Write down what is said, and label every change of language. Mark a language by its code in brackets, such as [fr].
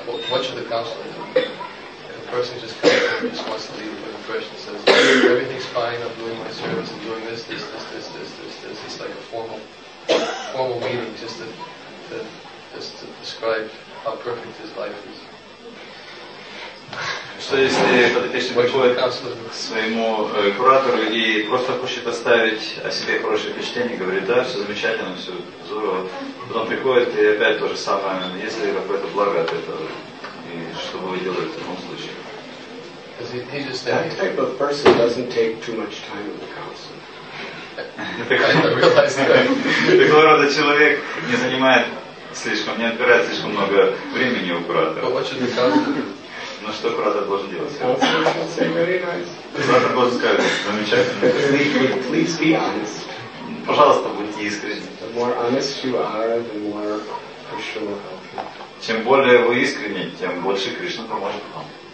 [en] What should the counselor do? If a person just comes and just wants to leave a good impression, says, everything's fine, I'm doing my service, I'm doing this. It's like a formal meeting just to describe how perfect his life is. [ru] Что если подопечный приходит к своему куратору и просто хочет оставить о себе хорошее впечатление, говорит, да, все замечательно, все здорово. Потом приходит и опять то же самое, есть ли какое-то благо от этого, и что вы делаете в таком случае? [en] That type of person doesn't take too much time in the counseling. [ru] Такого рода человек не занимает слишком, не отбирает слишком много времени у куратора. Ну что куратор должен делать? Куратор должен сказать, замечательно. [en] Please be honest. [ru] Пожалуйста, будьте искренни. [en] The more honest you are, the more Krishna will help you. [ru] Чем более вы искренни, тем больше Кришна поможет вам.